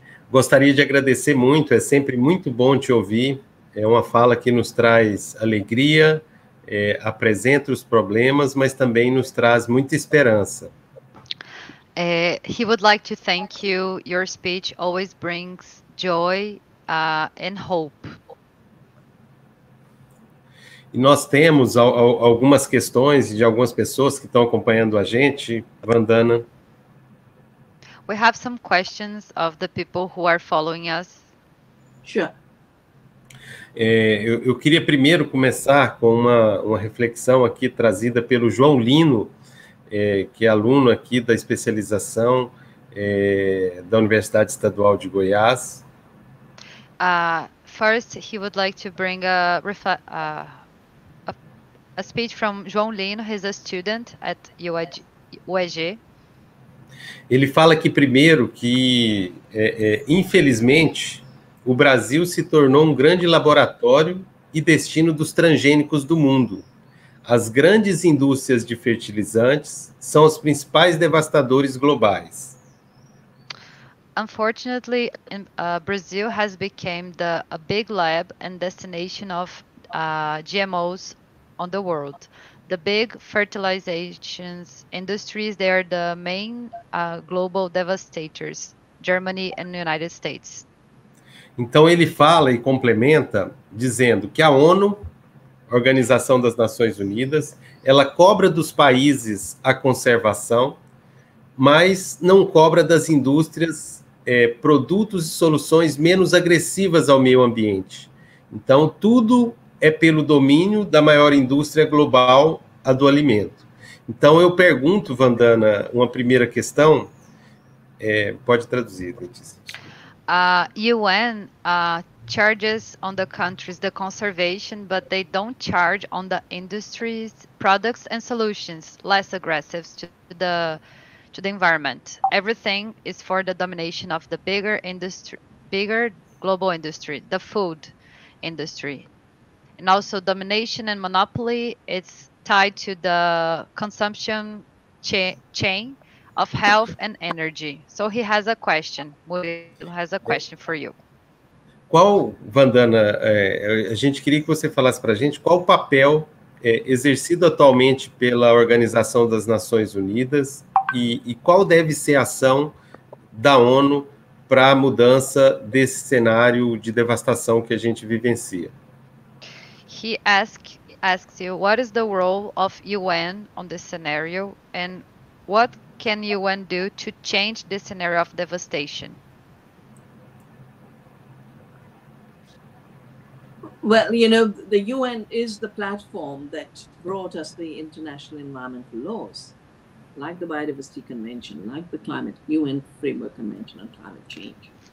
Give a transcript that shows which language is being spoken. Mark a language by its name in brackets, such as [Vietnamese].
[Portuguese] Gostaria de agradecer muito, é sempre muito bom te ouvir, é uma fala que nos traz alegria, apresenta os problemas, mas também nos traz muita esperança. [English] He would like to thank you, your speech always brings joy and hope. [Portuguese] E nós temos algumas questões de algumas pessoas que estão acompanhando a gente, Vandana. [English] We have some questions of the people who are following us. Sure. [Portuguese] Eu queria primeiro começar com uma reflexão aqui trazida pelo João Lino, que é aluno aqui da especialização da Universidade Estadual de Goiás. [English] First, he would like to bring a speech from João Lino. He's a student at UEG. [Portuguese] Ele fala aqui primeiro que, infelizmente, o Brasil se tornou um grande laboratório e destino dos transgênicos do mundo. As grandes indústrias de fertilizantes são os principais devastadores globais. [English] Unfortunately, Brazil has become a big lab and destination of GMOs on the world. The big fertilization industries, they are the main global devastators, Germany and the United States. [Portuguese] Então, ele fala e complementa dizendo que a ONU, Organização das Nações Unidas, ela cobra dos países a conservação, mas não cobra das indústrias produtos e soluções menos agressivas ao meio ambiente. Então, tudo é pelo domínio da maior indústria global, a do alimento. Então, eu pergunto, Vandana, uma primeira questão. Pode traduzir, Letícia. [English] UN charges on the countries the conservation, but they don't charge on the industries, products and solutions less aggressive to the environment. Everything is for the domination of the bigger industry, bigger global industry, the food industry. And also domination and monopoly, it's tied to the consumption chain of health and energy. So he has a question. Will has a question for you. [Portuguese] Qual, Vandana, a gente queria que você falasse para a gente qual o papel exercido atualmente pela Organização das Nações Unidas e qual deve ser a ação da ONU para a mudança desse cenário de devastação que a gente vivencia. [English] He asks you, what is the role of UN on this scenario and what can UN do to change the scenario of devastation? Well, you know, the UN is the platform that brought us the international environmental laws, like the Biodiversity Convention, like the UN Framework Convention on Climate Change.